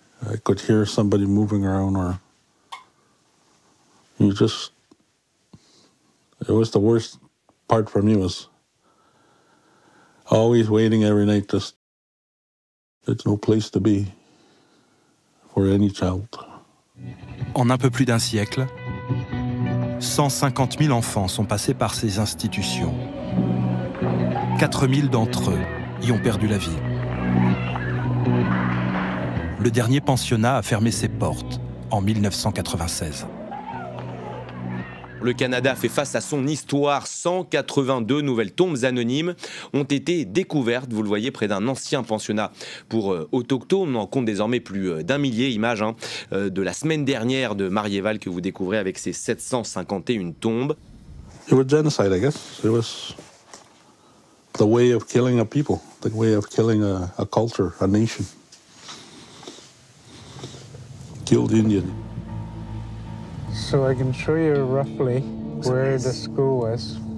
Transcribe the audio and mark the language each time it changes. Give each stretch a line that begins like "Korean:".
English: I could hear somebody moving around or you just, it was the worst part for me was always waiting every night just it's no place to be for any child.
French: En un peu plus d'un siècle, 150 000 enfants sont passés par ces institutions. 4 000 d'entre eux y ont perdu la vie. Le dernier pensionnat a fermé ses portes en 1996. Le Canada fait face à son histoire. 182 nouvelles tombes anonymes ont été découvertes, vous le voyez, près d'un ancien pensionnat pour autochtones. On en compte désormais plus d'un millier. Images hein, de la semaine dernière de Marieval que vous découvrez avec ses 751 tombes.
English: It was genocide, I guess. It was the way of killing a people, the way of killing a culture, a nation. Killed Indian. So I can show you roughly where the school was.